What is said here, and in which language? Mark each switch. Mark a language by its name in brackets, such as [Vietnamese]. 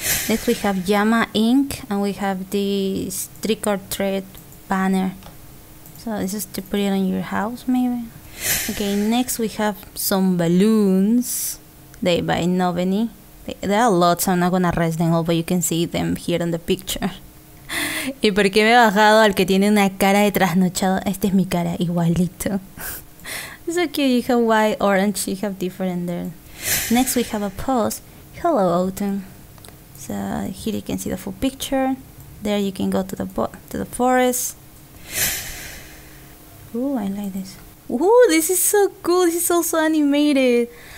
[English] Next we have Yama Ink, and we have this trick or treat banner. So this is to put it on your house, maybe. Okay, next we have some balloons. They by Noveny. There are lots, I'm not gonna rest them all, but you can see them here in the picture. [Spanish] ¿Y por qué me he bajado al que tiene una cara de trasnochado? Esta es mi cara, igualito. [English] So cute, you have white, orange, you have different there. Next we have a post. Hello, Autumn. So here you can see the full picture. There you can go to the forest. Ooh, I like this. Ooh, this is so cool. This is also animated.